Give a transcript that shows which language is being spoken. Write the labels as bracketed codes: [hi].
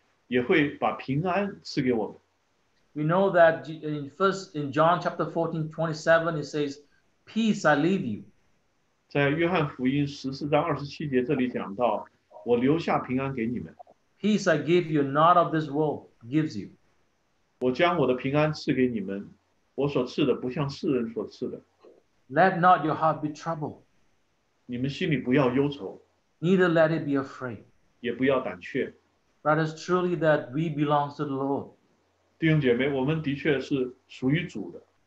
[zh] 神的杖和神的竿也会把平安赐给我们。 [en] We know that in John chapter 14, 27, it says, Peace I leave you. [zh] 在约翰福音14章27节这里讲到, 我留下平安给你们。 [en] Peace I give you, not of this world gives you. [zh] 我将我的平安赐给你们, 我所赐的不像世人所赐的。 [en] Let not your heart be troubled. [zh] 你们心里不要忧愁。 [en] Neither let it be afraid. [zh] 也不要胆怯。 [en] That is truly that we belong to the Lord. [zh] 弟兄姐妹, 我们的确是属于主的。